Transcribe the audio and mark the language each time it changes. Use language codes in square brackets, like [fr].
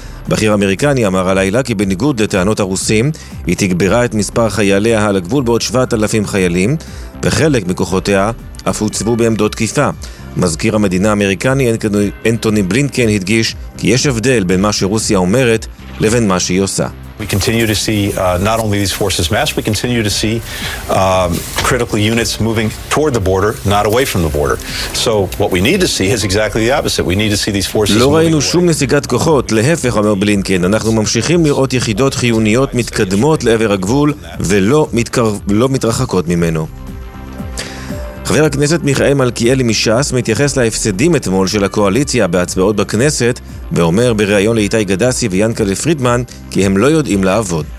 [he] בכיר אמריקני אמר הלילה כי בניגוד לטענות הרוסים, היא תגברה את מספר חייליה על הגבול בעוד 7,000 חיילים, וחלק מכוחותיה אף הוצבו בעמדות תקיפה. מזכיר המדינה האמריקני אנטוני בלינקן הדגיש כי יש הבדל בין מה שרוסיה אומרת לבין מה שהיא עושה. [en] We continue to see not only these forces mass, we continue to see critical units moving toward the border, not away from the border. So what we need to see is exactly the opposite. We need to see these forces [he] לא ראינו שום נסיגת כוחות, להפך, אומר בלינקן. אנחנו ממשיכים לראות יחידות חיוניות מתקדמות לעבר הגבול ולא מתרחקות ממנו. חבר הכנסת מיכאל מלכיאלי משס מתייחס להפסדים אתמול של הקואליציה בהצבעות בכנסת ואומר בריאיון לאיתי גדסי ויאנקל פרידמן כי הם לא יודעים לעבוד.